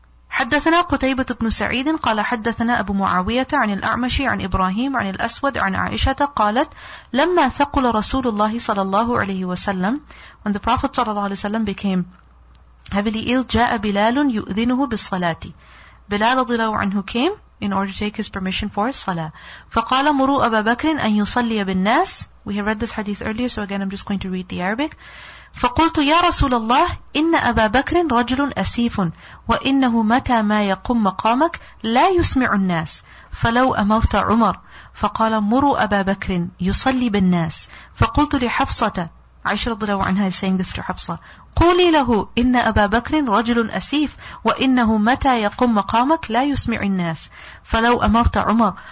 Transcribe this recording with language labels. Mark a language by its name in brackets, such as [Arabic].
[Arabic] حدثنا قتيبة بن سعيد قال حدثنا أبو معاوية عن الأعمش عن إبراهيم عن الأسود عن عائشة قالت لما ثقل رسول الله صلى الله عليه وسلم. [English] When the Prophet صلى الله عليه وسلم became heavily ill, [Arabic] جاء بلال يؤذنه بالصلاة. [English] Bilal رضي الله عنه came in order to take his permission for his صلاة. [Arabic] فقال مروا أبا بكر أن يصلي بالناس. [English] We have read this hadith earlier, so again I'm just going to read the Arabic. [Arabic] فقلت يا رسول الله إن أبا بكر رجل أسيف وإنه متى ما يقوم مقامك لا يسمع الناس فلو أموت عمر. فقال مروا أبا بكر يصلي بالناس. فقلت لحفصة, عائشة رضي الله عنها [English] is saying this to [Arabic] حفصة, قولي له إن أبا بكر رجل أسيف وإنه متى يقوم مقامك لا يسمع الناس فلو أمرت عمر.